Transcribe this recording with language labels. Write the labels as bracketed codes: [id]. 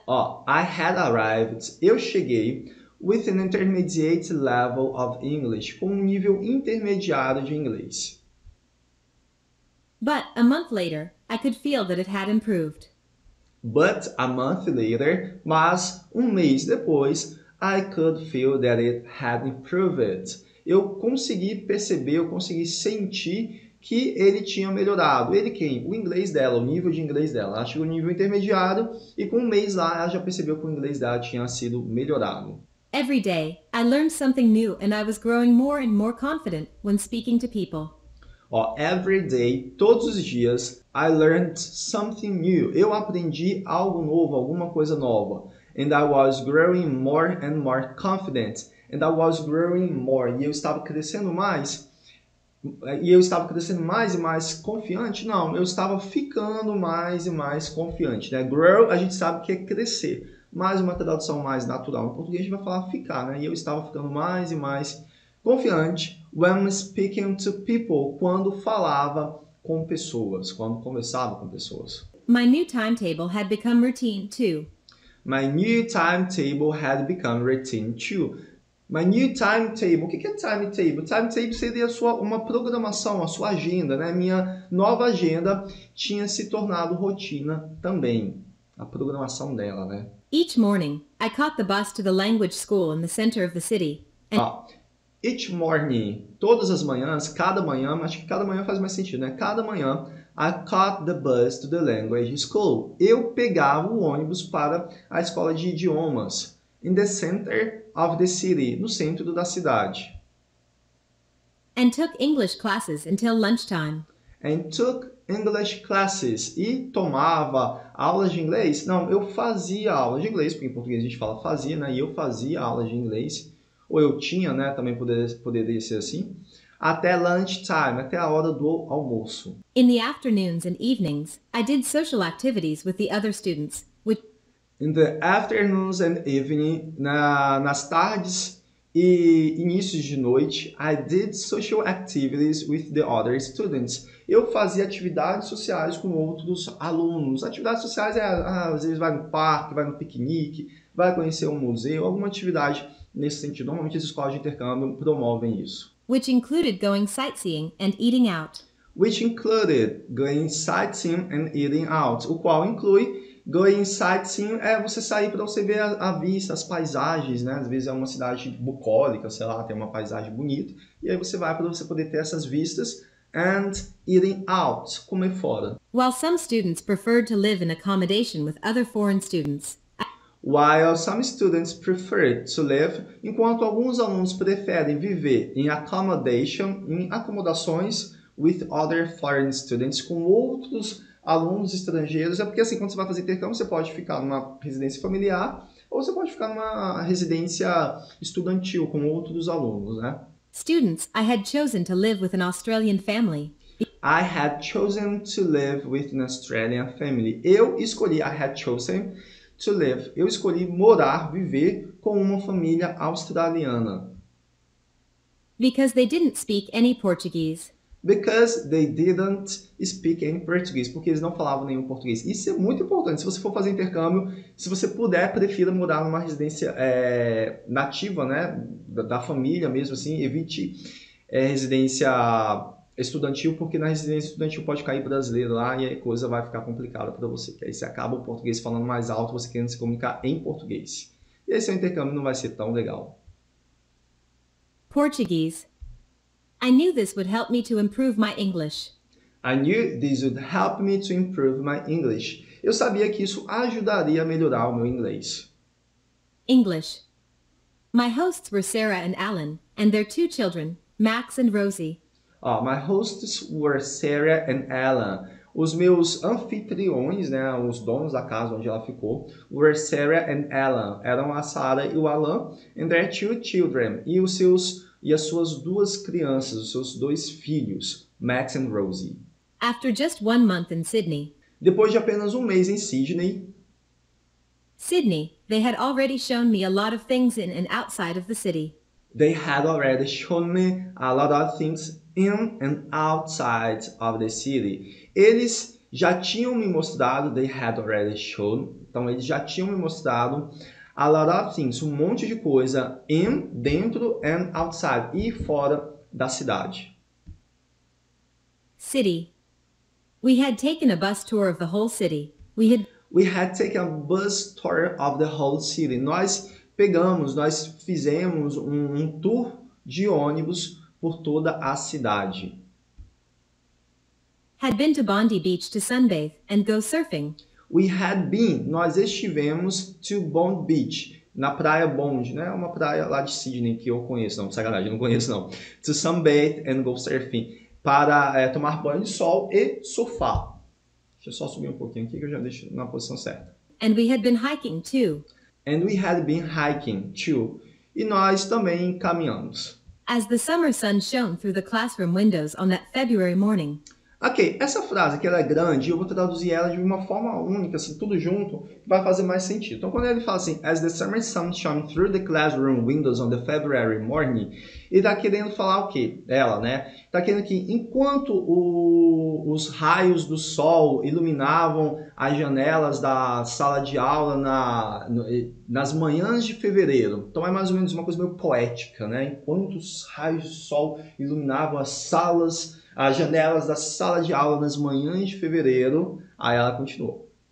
[en] Oh, I had arrived, [pt] eu cheguei, [en] with an intermediate level of English, [pt] com um nível intermediário de inglês. [en] But a month later, I could feel that it had improved. But a month later, [pt] mas um mês depois, [en] I could feel that it had improved. [pt] Eu consegui perceber, eu consegui sentir que ele tinha melhorado. Ele quem? O inglês dela, o nível de inglês dela. Ela chegou no nível intermediário e com um mês lá ela já percebeu que o inglês dela tinha sido melhorado. [en] Every day, I learned something new and I was growing more and more confident when speaking to people. Oh, every day, [pt] todos os dias, [en] I learned something new. [pt] Eu aprendi algo novo, alguma coisa nova. [en] And I was growing more and more confident. And I was growing more. [pt] E eu estava crescendo mais. E eu estava crescendo mais e mais confiante? Não, eu estava ficando mais e mais confiante. Né? Grow, a gente sabe que é crescer. Mais uma tradução mais natural. Em português a gente vai falar ficar, né? E eu estava ficando mais e mais confiante [en] when speaking to people, [pt] quando falava com pessoas, quando conversava com pessoas. [en] My new timetable had become routine too. My new timetable had become routine too. My new timetable. [pt] O que é timetable? Timetable seria uma programação, a sua agenda, né? Minha nova agenda tinha se tornado rotina também. A programação dela, né? [en] Each morning, I caught the bus to the language school in the center of the city. Each morning, [pt] todas as manhãs, cada manhã, acho que cada manhã faz mais sentido, né? Cada manhã, [en] I caught the bus to the language school. [pt] Eu pegava o ônibus para a escola de idiomas. [en] In the center of the city, [pt] no centro da cidade. [en] And took English classes until lunchtime. And took English classes. [pt] E tomava aulas de inglês? Não, eu fazia aulas de inglês, porque em português a gente fala fazia, né? E eu fazia aulas de inglês. Ou eu tinha, né? Também poderia ser assim. Até lunchtime, até a hora do almoço. [en] In the afternoons and evenings, I did social activities with the other students. In the afternoons and evening, [pt] nas tardes e inícios de noite, [en] I did social activities with the other students. [pt] Eu fazia atividades sociais com outros alunos. Atividades sociais é, às vezes, vai no parque, vai no piquenique, vai conhecer um museu, alguma atividade nesse sentido. Normalmente, as escolas de intercâmbio promovem isso. [en] Which included going sightseeing and eating out. Which included going sightseeing and eating out. [pt] O qual inclui [en] going sightseeing [pt] é você sair para você ver a vista, as paisagens, né? Às vezes é uma cidade bucólica, sei lá, tem uma paisagem bonita. E aí você vai para você poder ter essas vistas. [en] And eating out, [pt] comer fora. [en] While some students preferred to live in accommodation with other foreign students. While some students prefer to live, [pt] enquanto alguns alunos preferem viver em accommodation, em acomodações, [en] with other foreign students, [pt] com outros alunos estrangeiros, é porque assim, quando você vai fazer intercâmbio, você pode ficar numa residência familiar ou você pode ficar numa residência estudantil com outros alunos, né? [en] Students, I had chosen to live with an Australian family. I had chosen to live with an Australian family. [pt] Eu escolhi, [en] I had chosen to live. [pt] Eu escolhi morar, viver com uma família australiana. [en] Because they didn't speak any Portuguese. Because they didn't speak any Portuguese, [pt] porque eles não falavam nenhum português. Isso é muito importante. Se você for fazer intercâmbio, se você puder, prefira morar numa residência nativa, né? Da família mesmo, assim, evite residência estudantil, porque na residência estudantil pode cair brasileiro lá e a coisa vai ficar complicada para você. Aí você acaba o português falando mais alto, você querendo se comunicar em português. E aí seu intercâmbio não vai ser tão legal. Português. [en] I knew this would help me to improve my English. I knew this would help me to improve my English. [pt] Eu sabia que isso ajudaria a melhorar o meu inglês. [en] English. My hosts were Sarah and Alan, and their two children, Max and Rosie. My hosts were Sarah and Alan. [pt] Os meus anfitriões, né, os donos da casa onde ela ficou, [en] were Sarah and Alan. [pt] Eram a Sarah e o Alan, [en] and their two children, [pt] e as suas duas crianças, os seus dois filhos, Max and Rosie. [en] After just 1 month in Sydney. [pt] Depois de apenas um mês em Sydney. [en] Sydney, they had already shown me a lot of things in and outside of the city. They had already shown me a lot of things in and outside of the city. [pt] Eles já tinham me mostrado, [en] they had already shown. [pt] Então eles já tinham me mostrado [en] a lot of things, [pt] um monte de coisa in, dentro, and outside, e fora da cidade. [en] City. We had taken a bus tour of the whole city. We had taken a bus tour of the whole city. [pt] Nós fizemos um tour de ônibus por toda a cidade. [en] Had been to Bondi Beach to sunbathe and go surfing. We had been, [pt] nós estivemos to Bond Beach, na praia Bond, né? Uma praia lá de Sydney que eu conheço, não, sacanagem, não conheço não. To sunbathe and go surfing, para tomar banho de sol e surfar. Deixa eu só subir um pouquinho aqui que eu já deixo na posição certa. [en] And we had been hiking too. And we had been hiking too. [pt] E nós também caminhamos. [en] As the summer sun shone through the classroom windows on that February morning. [pt] Ok, essa frase que ela é grande, eu vou traduzir ela de uma forma única, assim, tudo junto, vai fazer mais sentido. Então, quando ele fala assim, [en] as the summer sun shone through the classroom windows on the February morning, [pt] e tá querendo falar o quê? Ela, né? Tá querendo que enquanto os raios do sol iluminavam as janelas da sala de aula nas manhãs de fevereiro, então é mais ou menos uma coisa meio poética, né? Enquanto os raios do sol iluminavam as janelas da sala de aula nas manhãs de fevereiro, aí ela continuou.